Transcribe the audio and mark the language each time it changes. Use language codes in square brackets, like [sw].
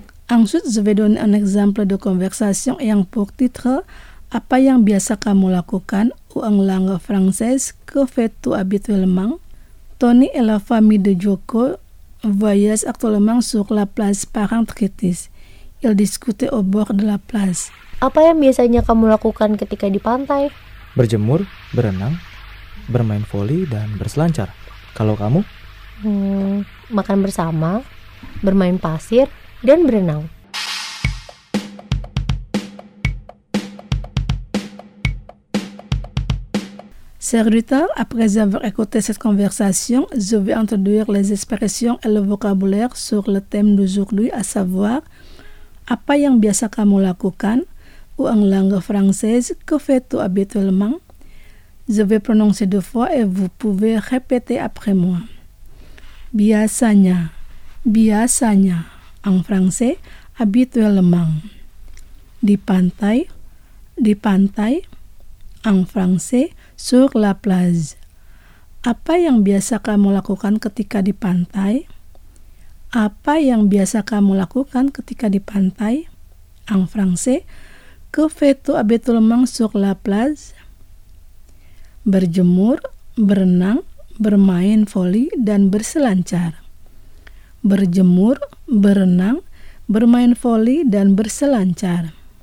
[fr] Ensuite, je vais donner un exemple de conversation ayant pour titre « [id] Apa yang biasa kamu lakukan [fr] » ou en langue française, « Que fais-tu habituellement ?» Tony et la famille de Joko voyagent actuellement sur la plage Parangtritis. Ils discutaient au bord de la plage. [id] Apa yang biasanya kamu lakukan ketika di pantai? Berjemur, berenang, bermain voli, dan berselancar. Kalau kamu? Makan bersama, bermain pasir, dan berenang. [fr] Serviteur, après avoir écouté cette conversation, je vais introduire les expressions et le vocabulaire sur le thème d'aujourd'hui, à savoir « [id] Apa yang biasa kamu lakukan ?» [fr] ou en langue française « Que fais-tu habituellement ?» Je vais prononcer deux fois et vous pouvez répéter après moi. [id] Biasanya, biasanya, [fr] en français, habituellement. [id] di pantai, [fr] en français, sur la plage. [id] Apa yang biasa kamu lakukan ketika di pantai? Apa yang biasa kamu lakukan ketika di pantai? [fr] En français, que fais-tu habituellement sur la plage? [id] Berjemur, berenang, bermain voli, dan berselancar. Berjemur, berenang, bermain voli, dan berselancar.